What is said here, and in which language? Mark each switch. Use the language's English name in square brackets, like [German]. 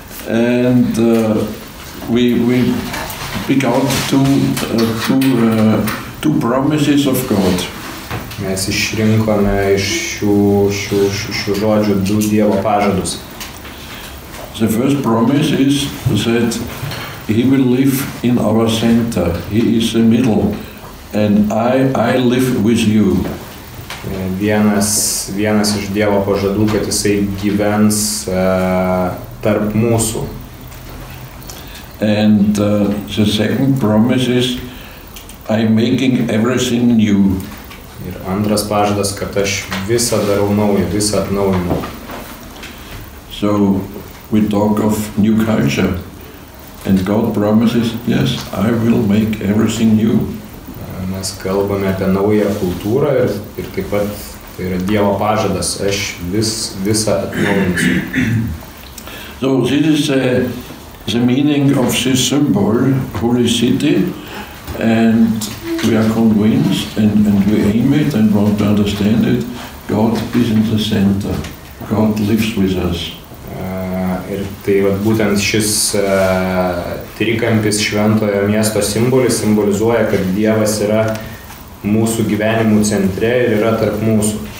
[English] And we pick out two promises of God. [Lithuanian] Mes išrinkome iš šių žodžių du Dievo pažadus. [English] The first promise is that he will live in our center. He is the middle and I live with you. [Lithuanian] Vienas iš Dievo pažadų, kad jisai gyvens tarp mūsų. [English] And the second promise is I'm making everything new. [Lithuanian] Ir antras pažadas, kad aš visą darau naują, visą atnaujinu. [English] So we talk of new culture and God promises, yes, I will make everything new. [Lithuanian] Mes kalbame apie naują kultūrą ir taip pat tai yra Dievo pažadas, aš visą atnaujinsiu. [English] So this is the meaning of this symbol, Holy City, and we are convinced and we aim it and want to understand it, God is in the center, God lives with us. [Lithuanian] Ir tai vat, būtent šis trikampis šventojo miesto simbolis simbolizuoja, kad Dievas yra mūsų gyvenimų centre ir yra tarp mūsų.